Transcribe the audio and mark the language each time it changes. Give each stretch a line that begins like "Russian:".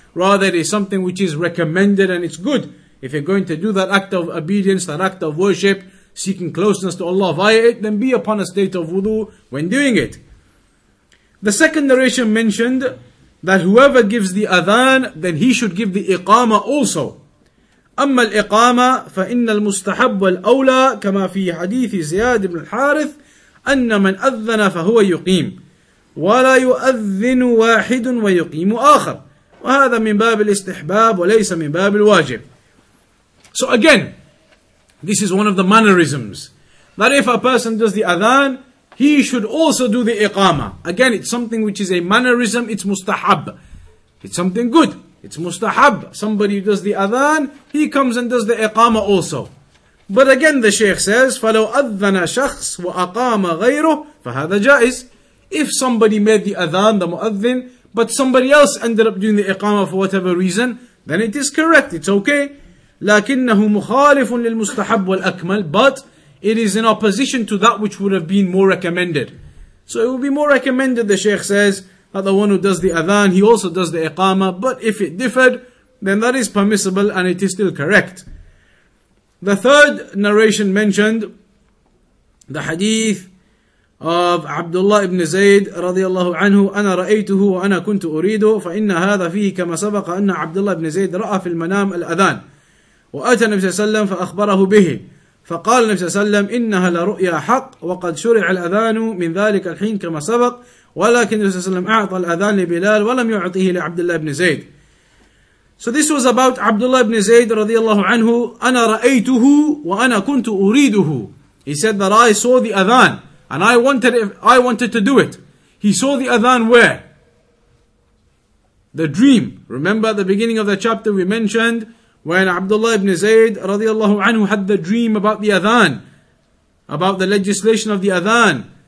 English: Rather, it is something which is recommended and it's good. If you're going to do that act of obedience, that act of worship, seeking closeness to Allah via it, then be upon a state of wudu when doing it. The second narration mentioned that whoever gives the adhan, then he should give the iqama also.
Arabic: أما الإقامة فإن المستحب والأولى كما في حديث زياد بن الحارث أن من أذن فهو يقيم ولا يؤذن واحد ويقيم آخر وهذا من باب الاستحباب وليس من باب الواجب.
English: So again, this is one of the mannerisms that if a person does the adhan, he should also do the iqama. Again, it's something which is a mannerism, it's mustahab. It's something good. It's mustahab. Somebody who does the adhan, he comes and does the iqama also. But again, the Shaykh says,
Arabic: فَلَوْ أَذَّنَ شَخْصْ وَأَقَامَ غَيْرُهُ فَهَذَا جَائِزْ.
English: If somebody made the adhan, the muadhin, but somebody else ended up doing the iqama for whatever reason, then it is correct, it's okay.
Arabic: لَكِنَّهُ مُخَالِفٌ لِلْمُسْتَحَبُ وَالْأَكْمَلُ.
English: But it is in opposition to that which would have been more recommended. So it would be more recommended, the Shaykh says, that the one who does the adhan, he also does the iqama, but if it differed, then that is permissible and it is still correct. The third narration mentioned the hadith of Abdullah ibn Zayd radiallahu anhu,
Arabic: أنا رأيته وأنا كنت أريده فإن هذا فيه كما سبق أن Abdullah ibn Zayd رأى في المنام الأذان وأتى النبي صلى الله عليه وسلم فأخبره به فقال النبي صلى الله عليه وسلم إنها لرؤيا حق وقد شرع الأذان من ذلك الحين كما سبق ولكن النبي صلى الله عليه وسلم أعطى الأذان لبلال ولم يعطيه لعبد الله بن زيد.
English: So this was about Abdullah ibn Zayd رضي الله عنه.
Arabic: أنا رأيته وأنا كنت أريده.
English: He said that I saw the adhan and I wanted to do it. He saw the adhan where? The dream. Remember at the beginning of the chapter we mentioned when Abdullah ibn Zayd رضي الله عنه had the dream about the adhan, about the legislation of the adhan.